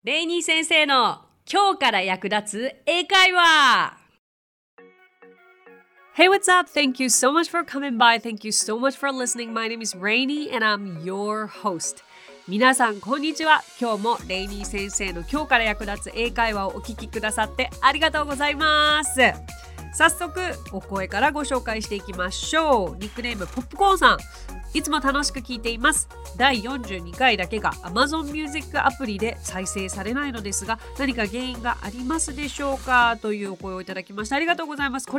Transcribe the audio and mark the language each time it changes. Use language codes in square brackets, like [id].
[ja] レイニー先生の今日から役立つ英会話。 [en] Hey, what's up? Thank you so much for coming by. Thank you so much for listening. My name is Rainy and I'm your host. [ja] 皆さんこんにちは。今日もレイニー先生の今日から役立つ英会話をお聞きくださってありがとうございます。早速お声からご紹介していきましょう。ニックネームポップコーンさん、いつも楽しく聞いています。第42回だけが Amazon Music アプリで再生されないのですが、何か原因がありますでしょうか、というお声をいただきました。ありがとうございます。